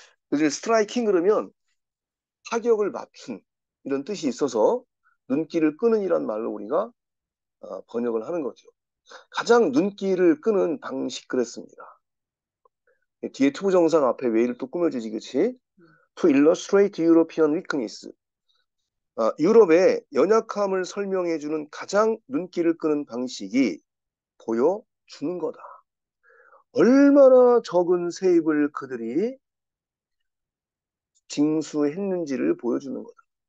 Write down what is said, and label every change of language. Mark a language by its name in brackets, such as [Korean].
[Korean] 그래서 스트라이킹 그러면 타격을 맞춘 이런 뜻이 있어서 눈길을 끄는 이란 말로 우리가 번역을 하는 거죠. 가장 눈길을 끄는 방식 그랬습니다. 뒤에 투 부정사 앞에 웨이를 또 꾸며주지, 그치? [English] To illustrate European weakness. [Korean] 유럽의 연약함을 설명해주는 가장 눈길을 끄는 방식이 보여주는 거다. 얼마나 적은 세입을 그들이 징수했는지를 보여주는 거다.